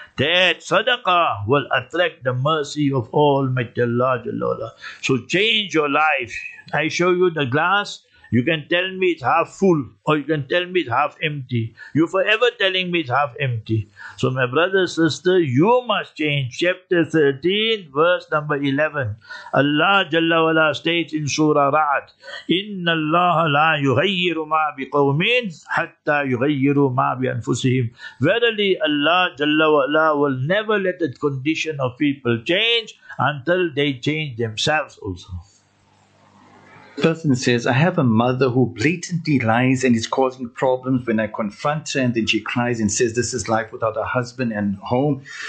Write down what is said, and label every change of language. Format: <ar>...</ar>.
<en>That sadaqah will attract the mercy of Almighty Allah Jalla Wala. So change your life. I show you the glass. You can tell me it's half full, or you can tell me it's half empty. You're forever telling me it's half empty. So my brother, sister, you must change. Chapter 13, verse number 11. Allah Jalla Wala states in Surah Ra'd,</en> <ar>إِنَّ اللَّهَ لَا يُغَيِّرُ مَا بِقَوْمٍ حَتَّى يُغَيِّرُ مَا بِأَنفُسِهِمْ.</ar> <en>Verily, Allah Jalla Wala will never let the condition of people change until they change themselves also. Person says, I have a mother who blatantly lies and is causing problems. When I confront her, and then she cries and says, this is life without a husband and home.</en>